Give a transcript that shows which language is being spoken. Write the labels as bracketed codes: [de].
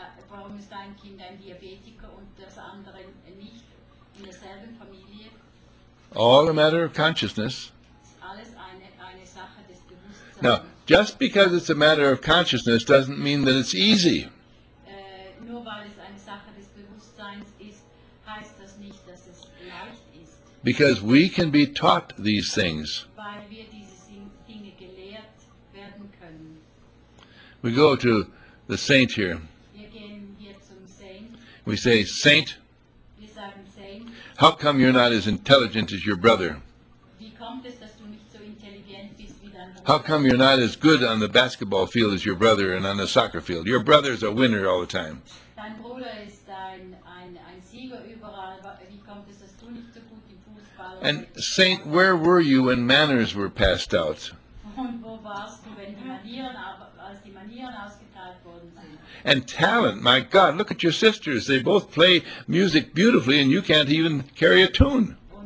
[de] Warum ist ein Kind ein Diabetiker und das andere nicht in derselben Familie? [en] All a matter of consciousness. [de] Alles eine Sache des Bewusstseins. [en] Now, just because it's a matter of consciousness doesn't mean that it's easy. [de] Nur weil es eine Sache des Bewusstseins ist, heißt das nicht, dass es leicht ist. [en] Because we can be taught these things. [de] Weil wir diese Dinge gelehrt werden können. [en] We go to the saint here. [de] Wir gehen hier zum Saint. [en] We say, Saint, [de] wir sagen, Saint, [en] how come you're not as intelligent as your brother? [de] Wie kommt es, dass du nicht so intelligent bist wie dein Bruder? [en] How come you're not as good on the basketball field as your brother and on the soccer field? Your brother's a winner all the time. [de] Dein Bruder ist ein Sieger überall. Wie kommt es, dass du nicht so gut im Fußball? [en] And Saint, where were you when manners were passed out? [de] Und wo warst du, wenn die Manieren, als die Manieren ausgeteilt worden sind? [en] And talent, my God, look at your sisters. They both play music beautifully and you can't even carry a tune.